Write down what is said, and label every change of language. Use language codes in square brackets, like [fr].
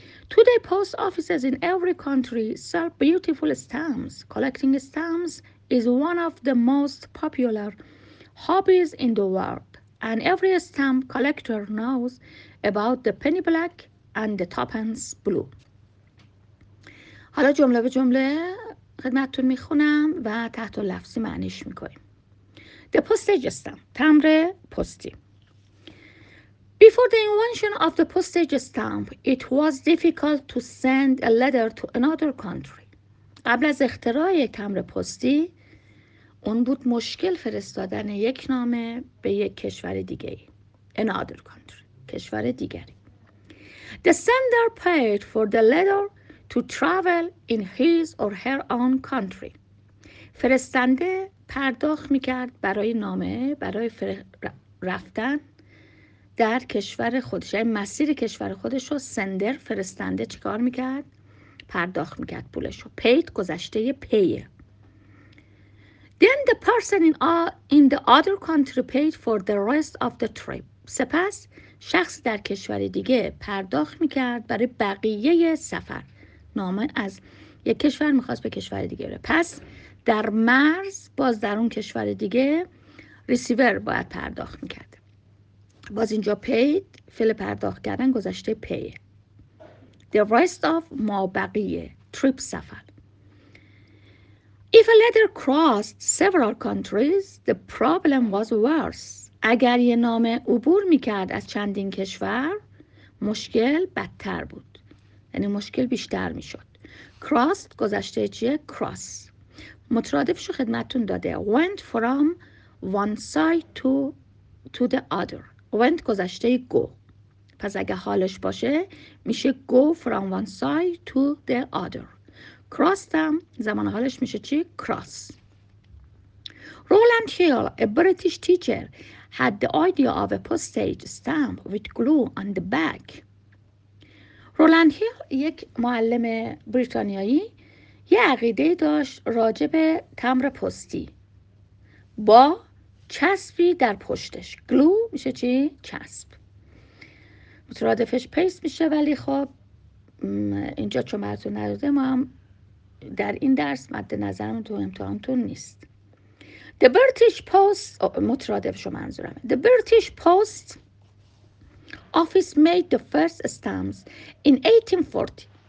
[en] Today, post offices in every country sell beautiful stamps. Collecting stamps is one of the most popular hobbies in the world, and every stamp collector knows about the penny black and the twopence blue. [fa] حالا جمله به جمله خدمتتون میخونم و تحت لفظی معنیش میکنیم. [en] The postage stamp, [fa] تمر پستی. [en] Before the invention of the postage stamp, it was difficult to send a letter to another country. [fa] قبل از اختراع تمر پستی، اون بود مشکل فرستادن یک نامه به یک کشور دیگه. [en] Another country, [fa] کشور دیگری. [en] The sender paid for the letter to travel in his or her own country. [fa] فرستنده پرداخت میکرد برای نامه، برای رفتن در کشور خودش، یعنی مسیر کشور خودش رو سندر فرستنده چیکار میکرد؟ پرداخت میکرد پولش رو. پید گذشته پیه. [en] Then the person in the other country paid for the rest of the trip. [fa] سپس شخص در کشور دیگه پرداخت میکرد برای بقیه سفر. نامه از یک کشور میخواست به کشور دیگه بره. پس در مرز باز در اون کشور دیگه ریسیور باید پرداخت میکرد. باز اینجا پید فعل پرداخت کردن گذشته پیه. [en] The rest of [fa] ما بقیه [en] trip [fa] سفر. [en] If a letter crossed several countries, the problem was worse. [fa] اگر یه نامه عبور میکرد از چندین کشور، مشکل بدتر بود. یعنی مشکل بیشتر میشد. Crossed گذشته چیه؟ Cross. مترادفشو خدمتون داده. [en] Went from one side to the other. Went گذشته go. [fa] پس اگه حالش باشه میشه [en] go from one side to the other. [fa] Crossed هم زمان حالش میشه چی؟ Cross. [en] Roland Hill, a British teacher, had the idea of a postage stamp with glue on the back. [fa] رولند هیل یک معلم بریتانیایی یه عقیده داشت راجع به تمبر پستی با چسبی در پشتش. گلو میشه چی؟ چسب. مترادفش پیست میشه، ولی خب اینجا چون براتون نداده ما هم در این درس مد نظرم تو امتحانتون نیست. [en] The British Post، [fa] مترادفشو منظورمه. [en] The British Post Office made the first stamps in 1840.